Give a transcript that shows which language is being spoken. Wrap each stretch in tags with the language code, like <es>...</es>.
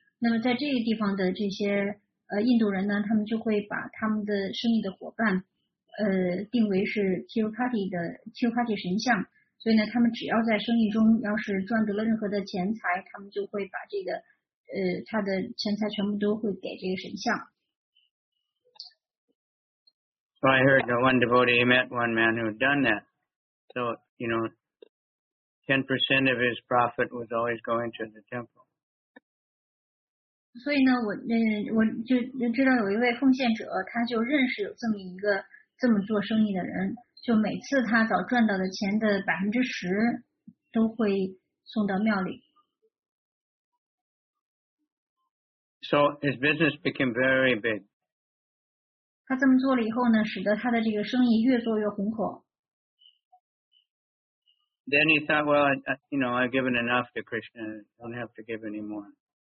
<zh>那么在这个地方的这些印度人呢，他们就会把他们的生意的伙伴定为是 Tirupati 的 Tirupati 神像，所以呢他们只要在生意中要是赚得了任何的钱财，他们就会把这个他的钱财全部都会给这个神像。</zh> <en>So I heard that one devotee, he met one man who had done that. So, you know, 10% of his profit was always going to the temple.</en> <zh>所以呢，我就知道有一位奉献者，他就认识有这么一个这么做生意的人，就每次他早赚到的钱的10%都会送到庙里。</zh> <en>So his business became very big.</en> <zh>他这么做了以后呢，使得他的这个生意越做越红火。</zh> <en>Then he thought, well, you know, I've given enough to Krishna, I don't have to give any more.</en>